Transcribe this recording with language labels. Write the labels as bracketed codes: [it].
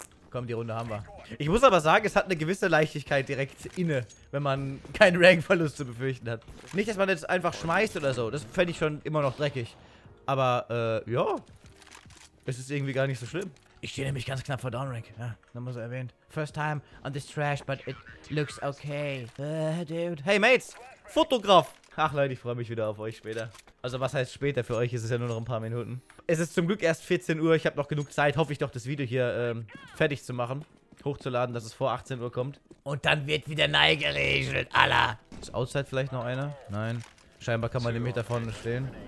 [de] Komm, die Runde haben wir. Ich muss aber sagen, es hat eine gewisse Leichtigkeit direkt inne, wenn man keinen Rank-Verlust zu befürchten hat. Nicht, dass man jetzt einfach schmeißt oder so. Das fände ich schon immer noch dreckig. Aber, ja. Es ist irgendwie gar nicht so schlimm. Ich stehe nämlich ganz knapp vor Downrank. Ja, nochmal so erwähnt. [en] First time on this trash, but it looks okay. Dude. Hey, Mates. Fotograf. [de] Ach Leute, ich freue mich wieder auf euch später. Also was heißt später? Für euch ist es ja nur noch ein paar Minuten. Es ist zum Glück erst 14 Uhr. Ich habe noch genug Zeit, hoffe ich doch, das Video hier fertig zu machen. Hochzuladen, dass es vor 18 Uhr kommt. Und dann wird wieder neu geregelt, Alter. Ist Outside vielleicht noch einer? Nein. Scheinbar kann man nämlich da vorne stehen.